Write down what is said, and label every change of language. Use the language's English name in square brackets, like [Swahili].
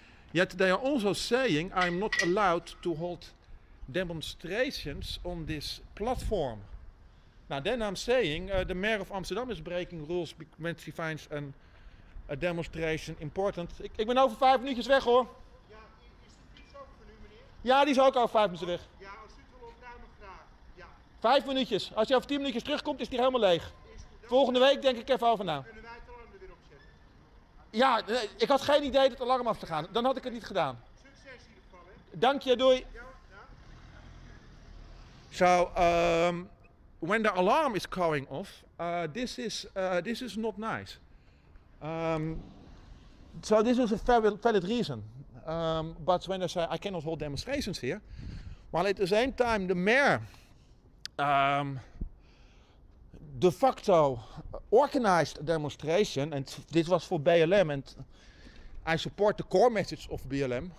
[English] Yet they are also saying I'm not allowed to hold demonstrations on this platform. Now, then I'm saying the mayor of Amsterdam is breaking rules when she finds an a demonstration important. [Dutch] Ik ben over 5 minuutjes weg hoor. Ja, is de fiets ook voor nu meneer? Ja, die is ook over 5 minuutjes weg. Ja, als u het wil opruimen graag. Ja. 5 minuutjes. Als je over 10 minuutjes terugkomt, is die helemaal leeg. Is die volgende week denk ik even over na. Kunnen wij het alarm er weer opzetten? Ja, ik had geen idee dat het alarm af te gaan. Dan had ik het niet gedaan. Succes in ieder geval, hè. Dank je, doei. Ja, ja. [English] So, when the alarm is going off, this is not nice. So this is a valid reason, but when I say I cannot hold demonstrations here, while at the same time the mayor de facto organized a demonstration, and this was for BLM, and I support the core message of BLM.